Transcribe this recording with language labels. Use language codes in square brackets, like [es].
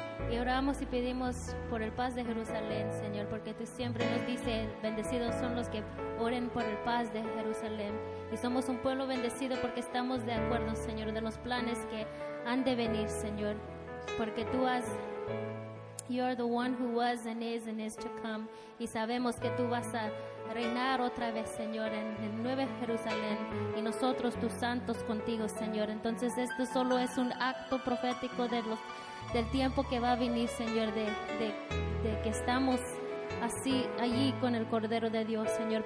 [es] Y oramos y pedimos por el paz de Jerusalén, Señor, porque tú siempre nos dices, bendecidos son los que oren por el paz de Jerusalén. Y somos un pueblo bendecido porque estamos de acuerdo, Señor, de los planes que han de venir, Señor, porque tú has... [en] You are the one who was and is to come. [es] Y sabemos que tú vas a reinar otra vez, Señor, en el Nuevo Jerusalén. Y nosotros, tus santos, contigo, Señor. Entonces, esto solo es un acto profético del tiempo que va a venir, Señor, de que estamos así, allí con el Cordero de Dios, Señor.